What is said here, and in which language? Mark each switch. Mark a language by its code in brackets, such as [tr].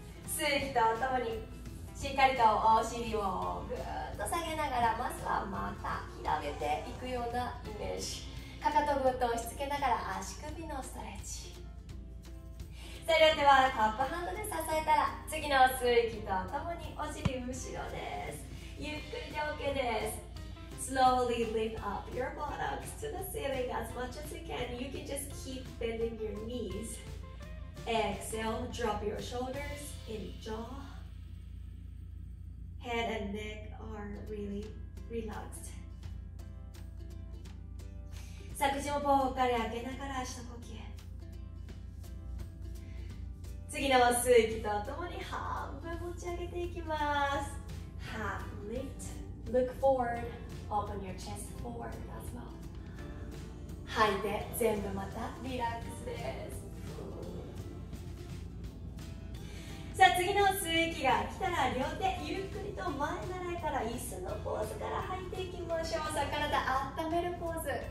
[ja] 吸う息とともにしっかりとお尻をぐーっと下げながら、まずはまた広げていくようなイメージ。かかとぐっと押し付けながら足首のストレッチ。それではタップハンドで支えたら、次の吸う息とともにお尻後ろです。ゆっくりで OK です。 [en] Slowly lift up your buttocks to the ceiling as much as you can. You can just keep bending your knees. Exhale, drop your shoulders and jaw. Head and neck are really relaxed. [ja] さあ、口をぽっかり開けながら足の呼吸、次の吸う息とともに半分持ち上げていきます。 [en] Half lift, look forward, open your chest forward as well. [ja] 吐いて全部またリラックスです。さあ、次の吸う息が来たら両手ゆっくりと前習いから椅子のポーズから吐いていきましょう。さあ、体温めるポーズ。